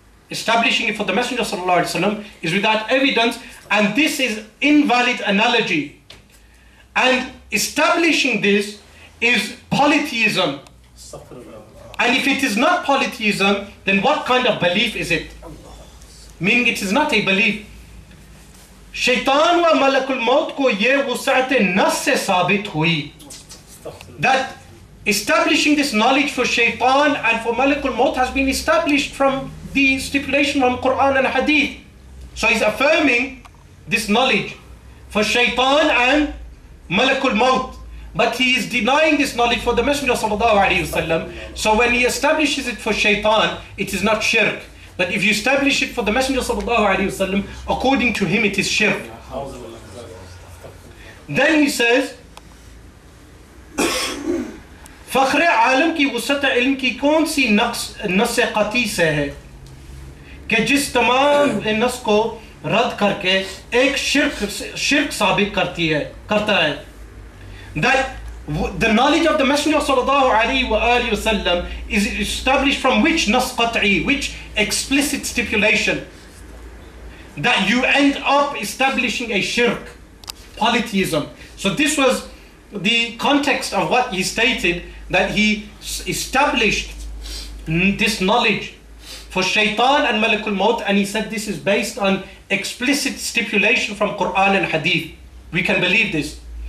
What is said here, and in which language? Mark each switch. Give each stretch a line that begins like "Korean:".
English: Establishing it for the Messenger sallallahu alaihi wasallam is without evidence, and this is invalid analogy. And establishing this is polytheism. And if it is not polytheism, then what kind of belief is it? Meaning it is not a belief.
Urdu: شیطان و ملک الموت کو یہ وسعت نص سے ثابت ہوئی.
English: That establishing this knowledge for شیطان and for ملک الموت has been established from the stipulation from Quran and Hadith. So he's affirming this knowledge for شیطان and ملک الموت. But he is denying this knowledge for the Messenger sallallahu alayhi wa sallam. So when he establishes it for شیطان, it is not shirk. But if you establish it for the Messenger sallallahu alayhi wa sallam, according to him it is shirk.
Urdu: Then he says, فخر عالم کی وسط علم کی کون سی نص قطعی سے ہے کہ جس تمام نص کو رد کر کے ایک شرک ثابت کرتا ہے.
English: That the knowledge of the Messenger sallallahu alayhi wa alayhi wa sallam is established from which nas qat'i, which explicit stipulation that you end up establishing a shirk, polytheism. So this was the context of what he stated, that he established this knowledge for shaitan and malakul maut, and he said this is based on explicit stipulation from Quran and Hadith. We can believe this.